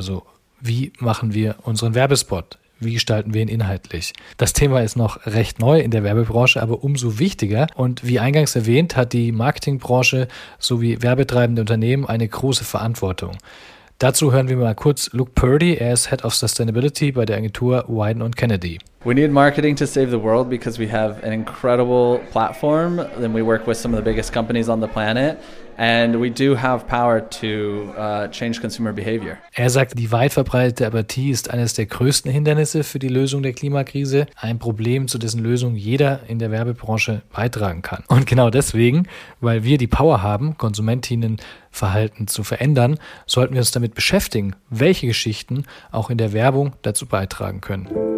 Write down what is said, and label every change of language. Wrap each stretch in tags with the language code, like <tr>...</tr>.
<de>Also wie machen wir unseren Werbespot? Wie gestalten wir ihn inhaltlich? Das Thema ist noch recht neu in der Werbebranche, aber umso wichtiger. Und wie eingangs erwähnt, hat die Marketingbranche sowie werbetreibende Unternehmen eine große Verantwortung. Dazu hören wir mal kurz Luke Purdy. Er ist Head of Sustainability bei der Agentur Wieden & Kennedy.</de> <en>We need marketing to save the world because we have an incredible platform and we work with some of the biggest companies on the planet and we do have power to change consumer behavior.</en> <de>Er sagt, die weit verbreitete Apathie ist eines der größten Hindernisse für die Lösung der Klimakrise, ein Problem, zu dessen Lösung jeder in der Werbebranche beitragen kann. Und genau deswegen, weil wir die Power haben, Konsumentinnenverhalten zu verändern, sollten wir uns damit beschäftigen, welche Geschichten auch in der Werbung dazu beitragen können.</de>